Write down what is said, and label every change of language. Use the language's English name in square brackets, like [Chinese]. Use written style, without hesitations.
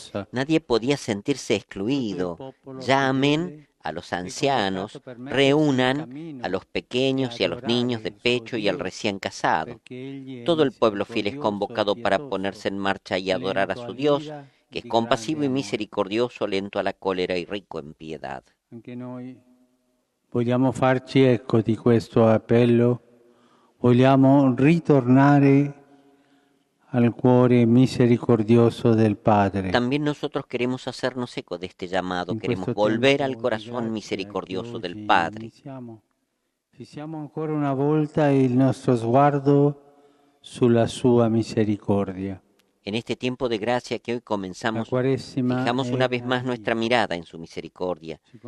[Spanish] Nadie podía sentirse excluido. Llamen a los ancianos, reúnan a los pequeños y a los niños de pecho y al recién casado. Todo el pueblo fiel es convocado para ponerse en marcha y adorar a su Dios, que es compasivo y misericordioso, lento a la cólera y rico en piedad. [Italian] Vogliamo farci eco di questo appello. Vogliamo ritornare al cuore misericordioso del Padre. [Spanish] También nosotros queremos hacernos eco de este llamado, queremos volver al corazón misericordioso del Padre. [Italian] Fissiamo ancora una volta il nostro sguardo sulla sua misericordia. [Spanish] En este tiempo de gracia que hoy comenzamos, fijamos una vez más nuestra mirada en su misericordia.